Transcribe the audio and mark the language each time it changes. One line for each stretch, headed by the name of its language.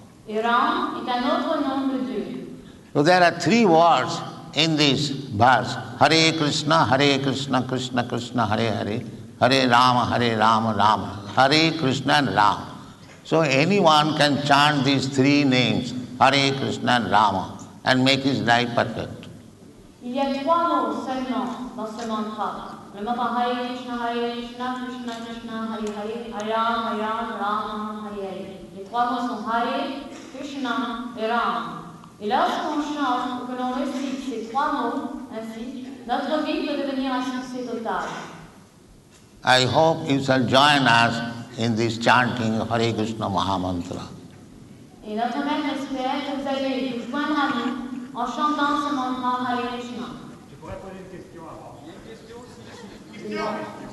French: Et Ram est un autre nom de Dieu.
English: So there are three words in this verse. Hare Krishna, Hare Krishna, Krishna Krishna, Hare Hare. Hare Rama, Hare Rama, Rama. Hare Krishna and Rama. So anyone can chant these three names, Hare Krishna and Rama, and make his life perfect.
French: Il y a trois mots seulement dans ce mantra. Le mantra Hare Krishna, Hare Krishna, Krishna Krishna, Hare Hare, Hare Rama, Hare Rama, Rama, Hare Hare. Les trois mots sont Hare, Krishna et Rama. Et lorsqu'on chante ou que l'on récite ces trois mots ainsi, notre vie peut devenir un succès total.
English: I hope you shall join us in this chanting of Hare Krishna Maha Mantra.
French: Et notre mère espère que vous allez vous joindre à nous en chantant ce mantra Hare Krishna. Je pourrais poser une question avant. Il y a une question aussi.